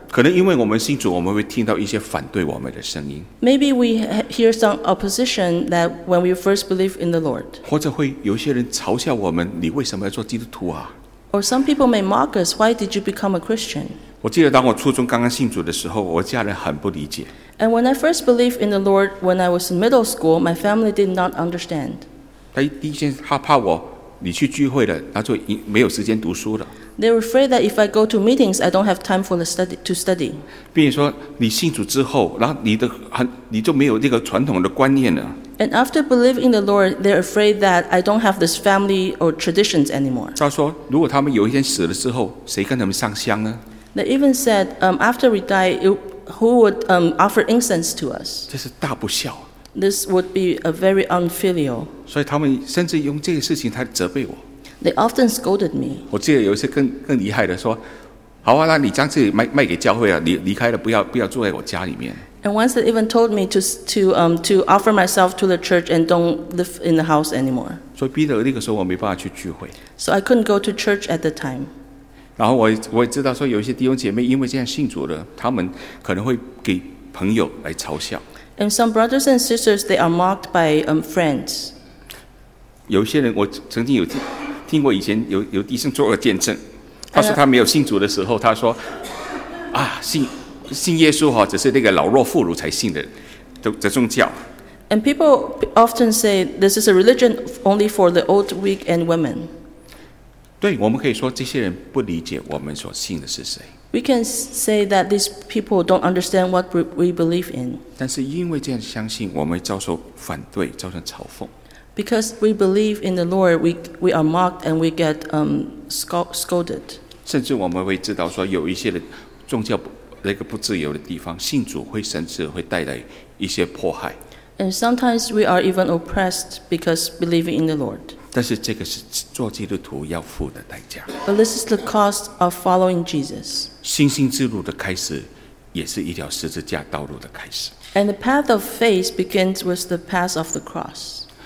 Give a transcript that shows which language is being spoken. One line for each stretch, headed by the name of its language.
Chinese: 可能因为我们信主，我们会听到一些反对我们的声音。
English: Maybe we hear some opposition that when we first believe in the Lord.
Chinese: 或者会有些人嘲笑我们，你为什么要做基督徒啊？
English: Or some people may mock us, why did you become a Christian?
Chinese: 我记得当我初中刚刚信主的时候，我家人很不理解。
English: And when I first believed in the Lord when I was in middle school, my family did not understand.
Chinese: 第一件事，他怕我你去聚会了，那就没有时间读书了。
English: They were afraid that if I go to meetings, I don't have time for to study.
Chinese: 比如说，你信主之后，然后你就没有这个传统的观念了。
English: And after believing in the Lord, they're afraid that I don't have this family or traditions anymore.
Chinese: 他说，如果他们有一天死了之后，谁跟他们上香呢
English: ？They even said, after we die, who would offer incense to us?
Chinese: 这是大不孝。
English: This would be a very unfilial.
Chinese: 所以他们甚至用这个事情来责备我。
English: They often scolded me.
Chinese: 我记得有一次更厉害的说，好啊，那你将自己卖给教会啊，你离开了，不要住在我家里面。
English: And once they even told me to offer myself to the church and don't live in the house anymore.
Chinese: 所以逼得那个时候我没办法去聚会。
English: So I couldn't go to church at the time.
Chinese: 然后我也知道说有一些弟兄姐妹因为这样信主的，他们可能会给朋友来嘲笑。
English: And some brothers and sisters they are mocked by friends.
Chinese: 有些人我曾经有听过以前有弟兄做个见证，他说他没有信主的时候，他说啊信耶稣哈，只是那个老弱妇孺才信的宗教。
English: And people often say this is a religion only for the old, weak, and women.
Chinese: 对，我们可以说这些人不理解我们所信的是谁。
English: We can say that these people don't understand what we believe in.
Chinese: 但是因为这样相信，我们遭受反对，遭受嘲讽。
English: Because we believe in the Lord, we are mocked and we get scolded.
Chinese: 甚至我们会知道说有一些的宗教那个不自由的地方，信主会甚至会带来一些迫害。
English: And sometimes we are even oppressed because believing in the Lord.
Chinese: 但是这个是做基督徒要付的代价。
English: But this is the cost of following Jesus.
Chinese: 信心之路的开始，也是一条十字架道路的开始。
English: And the path of faith begins with the path of the cross.